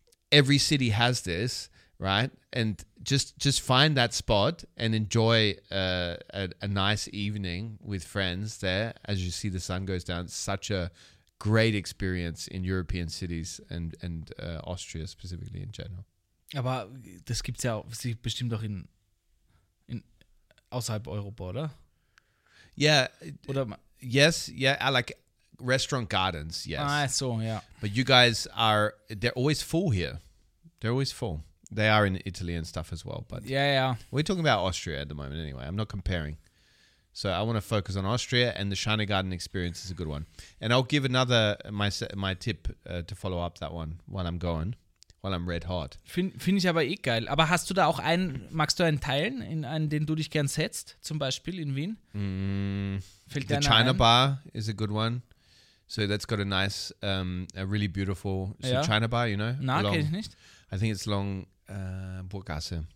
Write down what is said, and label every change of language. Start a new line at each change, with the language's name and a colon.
English: Every city has this, right? And just find that spot and enjoy a nice evening with friends there as you see the sun goes down. It's such a great experience in European cities and Austria specifically in general.
German: Aber das gibt's ja auch, bestimmt auch in außerhalb Europa, oder?
English: Yeah.
German: Oder
English: yes, yeah, I like restaurant gardens, yes. Ah, so, yeah. But you guys are, they're always full here. They're always full. They are in Italy and stuff as well, but yeah, yeah. We're talking about Austria at the moment anyway. I'm not comparing. So I want to focus on Austria, and the Shani Garden experience is a good one. And I'll give another my tip to follow up that one while I'm going, while I'm red hot.
German: Finde ich aber eh geil. Aber hast du da auch einen, magst du einen teilen, in einen, den du dich gern setzt, zum Beispiel in Wien?
English: Fällt the China ein? Bar is a good one. So that's got a nice, a really beautiful so ja. China Bar, you know?
German: Na, kenn ich nicht.
English: I think it's long Burggasse.